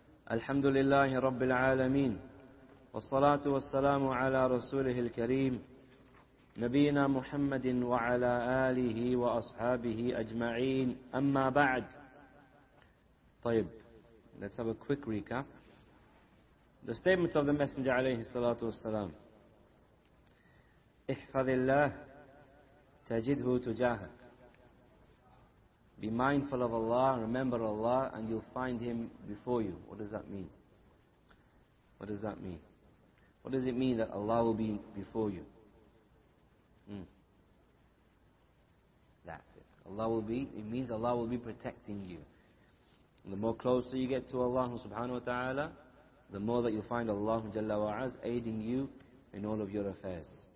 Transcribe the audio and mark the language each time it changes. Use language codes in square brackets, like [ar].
[ar] الحمد لله رب العالمين، والصلاة والسلام على رسوله الكريم نبينا محمد وعلى آله وأصحابه أجمعين، أما بعد. [en] طيب، let's have a quick recap. The statement of the Messenger [ar] عليه الصلاة والسلام: احفظ الله تجده تجاهك. [en] Be mindful of Allah, remember Allah, and you'll find Him before you. What does that mean? What does that mean? What does it mean that Allah will be before you? That's it. It means Allah will be protecting you. And the more closer you get to Allah subhanahu wa ta'ala, the more that you'll find Allah jalla wa az aiding you in all of your affairs.